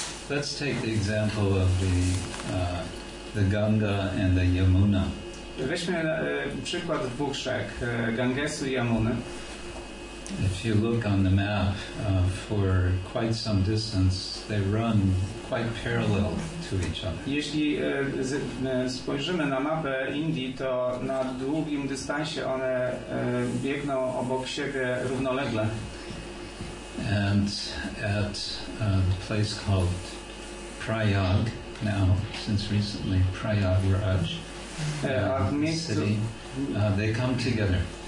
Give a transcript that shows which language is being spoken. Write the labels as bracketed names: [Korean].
[English] Let's take the example of the Ganga and the Yamuna. [Polish] Weźmy przykład dwóch rzek, Gangesu i Yamuny. [English] If you look on the map, for quite some distance, they run quite parallel to each other. [Polish] Jeśli spojrzymy na mapę Indii, to na długim dystansie one biegną obok siebie równolegle. [English] And at a place called Prayag, now, since recently, Prayagraj, city, they come together.